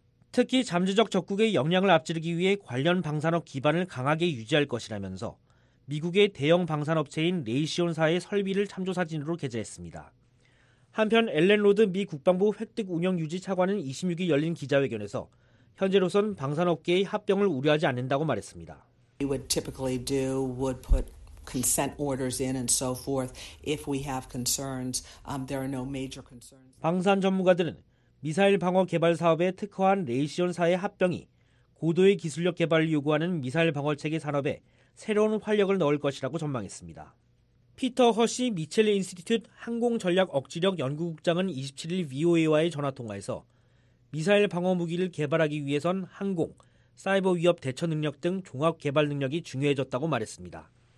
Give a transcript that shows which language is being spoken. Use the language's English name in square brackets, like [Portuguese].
[Korean] 특히 잠재적 적국의 역량을 앞지르기 위해 관련 방산업 기반을 강하게 유지할 것이라면서 미국의 대형 방산업체인 레이시온사의 설비를 참조사진으로 게재했습니다. 한편 엘렌 로드 미 국방부 획득 운영 유지 차관은 26일 열린 기자회견에서 현재로선 방산업계의 합병을 우려하지 않는다고 말했습니다. [English] We would typically do would put consent orders in and so forth if we have concerns. There are no major concerns. [Korean] 방산 전문가들은 미사일 방어 개발 사업에 특허한 레이시온사의 합병이 고도의 기술력 개발을 요구하는 미사일 방어 체계 산업에 새로운 활력을 넣을 것이라고 전망했습니다. 피터 허시 미첼 인스티튜트 항공전략억지력연구국장은 27일 VOA와의 전화통화에서 미사일 방어 무기를 개발하기 위해선 항공, 사이버 위협 대처 능력 등 종합 개발 능력이 중요해졌다고 말했습니다.